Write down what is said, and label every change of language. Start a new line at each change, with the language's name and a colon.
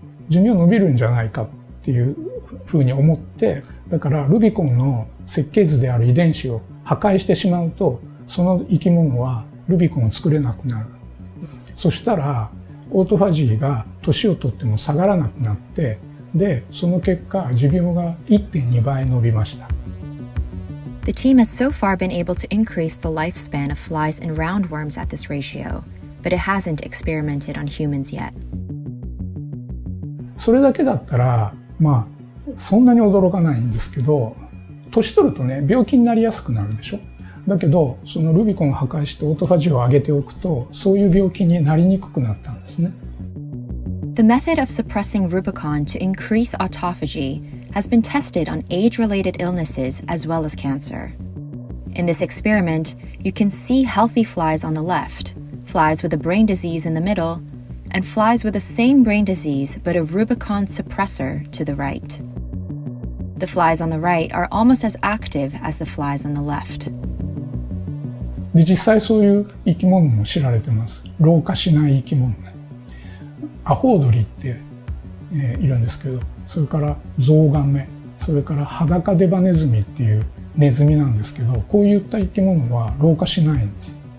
Japanese: 寿命伸びるんじゃないかっていうふうに思って、だからルビコンの設計図である遺伝子を破壊してしまうとその生き物はルビコンを作れなくなる。そしたらオートファジーが年をとっても下がらなくなって、でその結果寿命が 1.2 倍伸びました。
English: The team has so far been able to increase the lifespan of flies and roundworms at this ratio, but it hasn't experimented on humans yet. それだけだったらまあそんなに驚かないんですけど、年取るとね病気になりやすくなるでしょ。だけどそのルビコンを破壊してオートファジーを上げておくと、そういう病気になりにくくなったんですね。 The method of suppressing Rubicon to increase autophagy has been tested on age-related illnesses as well as cancer. In this experiment, you can see healthy flies on the left, flies with a brain disease in the middle, and flies with the same brain disease but a Rubicon suppressor to the right. The flies on the right are almost as active as the flies on the left.
Japanese: で実際そういう生き物も知られてます。老化しない生き物、ね、アホウドリって、いるんですけど、それからゾウガメ、それから裸デバネズミっていうネズミなんですけど、こういった生き物は老化しないんです。